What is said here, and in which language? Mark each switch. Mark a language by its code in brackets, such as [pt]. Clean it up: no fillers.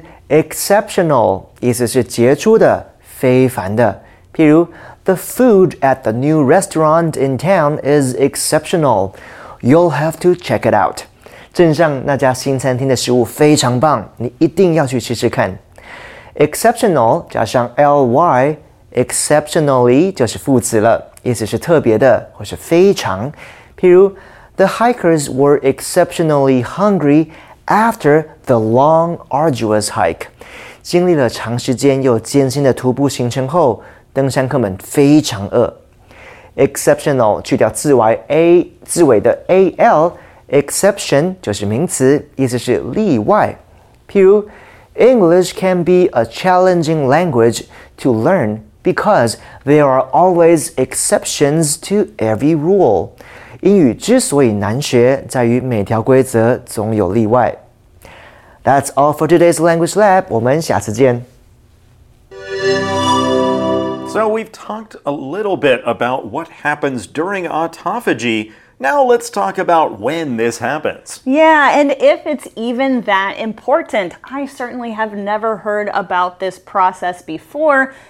[en] Exceptional [zh] 意思是杰出的, 非凡的, 譬如, [en] the food at the new restaurant in town is exceptional. You'll have to check it out. [zh] 镇上那家新餐厅的食物非常棒, 你一定要去吃吃看。 Exceptional 加上ly, exceptionally 就是副词了, 意思是特别的或是非常。譬如, [en] the hikers were exceptionally hungry after the long arduous hike. [zh] 经历了长时间又艰辛的徒步行程后, 登山客们非常饿。 Exceptional 去掉字尾 A 字尾的 AL, exception 就是名词, 意思是例外。譬如, [en] English can be a challenging language to learn because there are always exceptions to every rule. [zh] 英语之所以难学, 在于每条规则总有例外。 [en] That's all for today's Language Lab. [zh] 我们下次见。 [en] So we've talked a little bit about what happens during autophagy. Now let's talk about when this happens. Yeah, and if it's even that important. I certainly have never heard about this process before.